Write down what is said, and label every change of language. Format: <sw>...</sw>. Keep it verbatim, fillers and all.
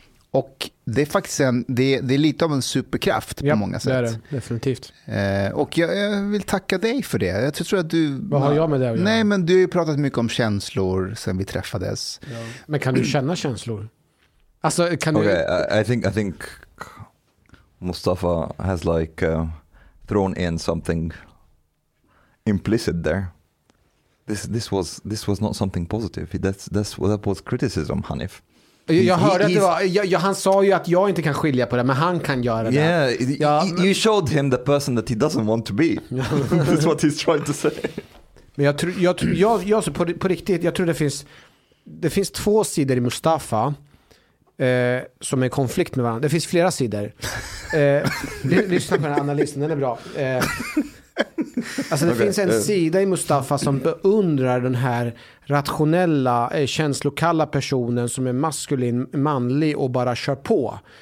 <sv>Och det är faktiskt en, det, det är lite av en superkraft på ja, många sätt. Ja, det är det. Definitivt. Eh, och jag, jag vill tacka dig för det. Jag tror att du... Vad har jag med det att göra? Nej, men du har ju pratat mycket om känslor sen vi träffades. Ja. Men kan du känna känslor? Alltså, kan</sv> <en>okay,</en> <sv>du...</sv> <en>I, I, think, I think Mustafa has like uh, thrown in something implicit there. This, this, was, this was not something positive. That's, that's, that was criticism, Hanif.</en> <sv>Jag hörde att det var, jag, han sa ju att jag inte kan skilja på det, men han kan göra det.</sv> <en>Yeah, ja, men... you showed him the person that he doesn't want to be. That's what he's trying to say.</en> <sv>Men jag tror, jag, jag, jag, på, på riktigt, jag tror det finns, det finns två sidor i Mustafa eh, som är i konflikt med varandra. Det finns flera sidor. Eh, lyssna på den här analysen, den är bra. Eh, Alltså det okay. finns en sida i Mustafa som beundrar den här rationella, eh, känslokalla personen som är maskulin, manlig och bara kör på.</sv>